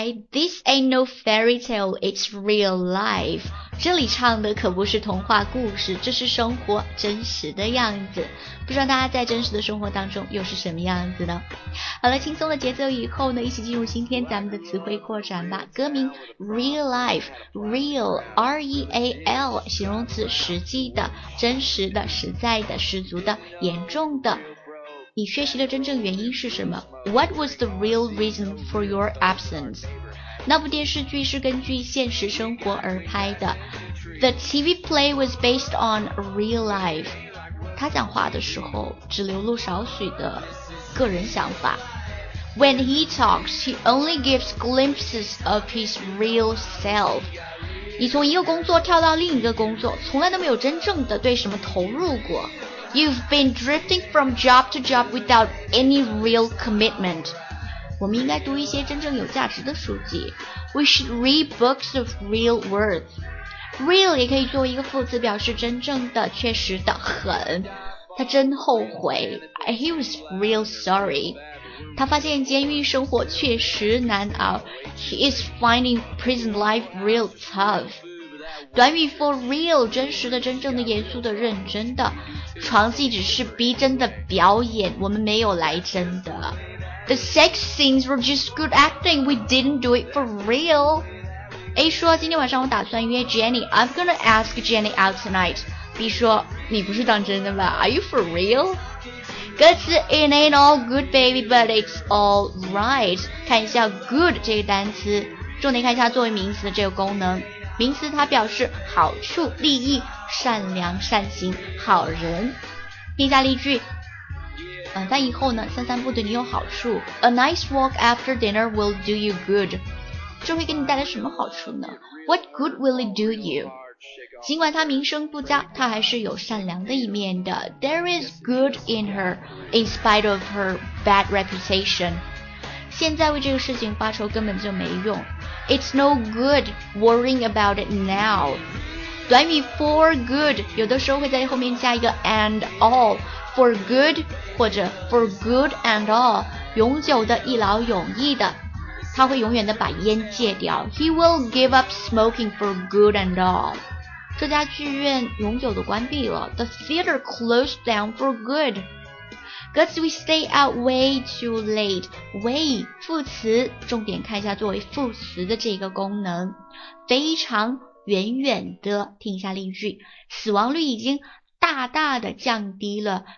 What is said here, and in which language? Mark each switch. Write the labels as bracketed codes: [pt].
[en] This ain't no fairy tale, it's real life. [zh] 这里唱的可不是童话故事，这是生活真实的样子。不知道大家在真实的生活当中又是什么样子呢？好了，轻松的节奏以后呢，一起进入今天咱们的词汇扩展吧。歌名 Real Life, Real, R-E-A-L, 形容词，实际的、真实的、实在的、十足的、严重的。你缺席的真正原因是什么？ [en] What was the real reason for your absence? [zh] 那部电视剧是根据现实生活而拍的。 [en] The TV play was based on real life. [zh] 他讲话的时候只流露少许的个人想法。 [en] When he talks, he only gives glimpses of his real self. [zh] 你从一个工作跳到另一个工作，从来都没有真正的对什么投入过。 [en] You've been drifting from job to job without any real commitment. [zh] 我们应该读一些真正有价值的书籍。 [en] We should read books of real worth. [zh] Real 也可以作为一个副词表示真正的、确实的、很。他真后悔。 [en] He was real sorry. [zh] 他发现监狱生活确实难熬。 [en] He is finding prison life real tough. [zh] 短语 for real, 真实的、真正的、严肃的、认真的。床戏只是逼真的表演，我们没有来真的。 [en] The sex scenes were just good acting, we didn't do it for real. [zh] A 说今天晚上我打算约 Jenny, [en] I'm gonna ask Jenny out tonight. [zh] B 说你不是当真的吧 [en] ,Are you for real? 歌词 It ain't all good baby, but it's all right. [zh] 看一下 good 这个单词，重点看一下作为名词的这个功能。名词它表示好处、利益、善良、善行、好人。听下例句。在以后呢，散散步对你有好处。 [en] A nice walk after dinner will do you good. [zh] 这会给你带来什么好处呢？ [en] What good will it do you? [zh] 尽管她名声不佳，她还是有善良的一面的。 [en] There is good in her, in spite of her bad reputation. [zh] 现在为这个事情发愁根本就没用。 [en] It's no good worrying about it now. [zh] 短语 for good, 有的时候会在后面加一个 and all. For good, 或者 for good and all, 永久的、一劳永逸的，他会永远的把烟戒掉。 [en] He will give up smoking for good and all. [zh] 这家剧院永久的关闭了。 [en] The theater closed down for good. Because we stay out way too late. [zh] Way, 副词，重点看一下作为副词的这个功能。非常远远的，听一下例句。死亡率已经大大的降低了。